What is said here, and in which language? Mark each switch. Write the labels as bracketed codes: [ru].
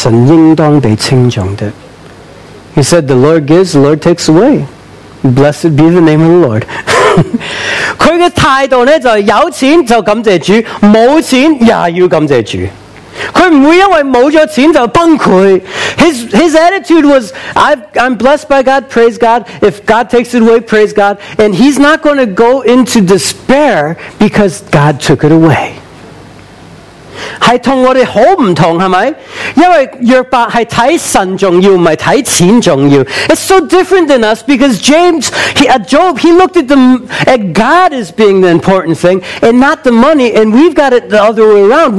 [en] He said, the Lord gives, the Lord takes away. Blessed be the name of the Lord. [yue] 他的态度就是有钱就感谢主,没钱也要感谢主。他不会因为没了钱就崩溃。 [en] His attitude was, I'm blessed by God, praise God. If God takes it away, praise God. And he's not going to go into despair because God took it away. [yue] 是跟我们很不同,是吗? 因为约伯是看神重要,不是看钱重要. [en] It's so different than us because James, Job, he looked at at God as being the important thing and not the money, and we've got it the other way around.